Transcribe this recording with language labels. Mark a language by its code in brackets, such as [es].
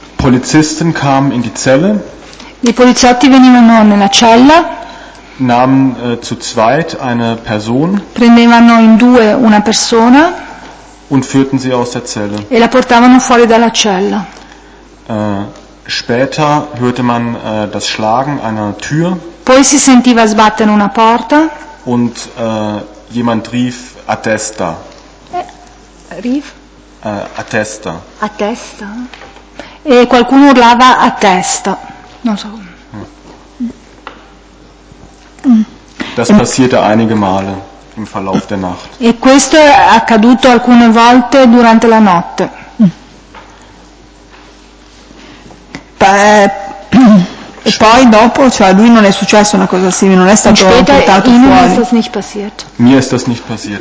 [de] Polizisten kamen in die Zelle. [it] Die Poliziotti venivano nella cella. [de] Nahmen zu zweit eine Person. [it] Prendevano in due una persona. [de] Und führten sie aus der Zelle. [it] E la portavano fuori dalla cella. [de] Später hörte man das Schlagen einer Tür. [it] Poi si sentiva sbattere una porta. [de] Und jemand rief Attesta. Rief? [it] A testa. A testa. E qualcuno urlava a testa. Non so. [de] Das passierte einige Male im Verlauf der Nacht. [it] E questo è accaduto alcune volte durante la notte. E poi dopo, cioè lui non è successo una cosa simile, non è stato portato fuori. [de] Später, Ihnen ist das nicht passiert. Mir ist das nicht passiert.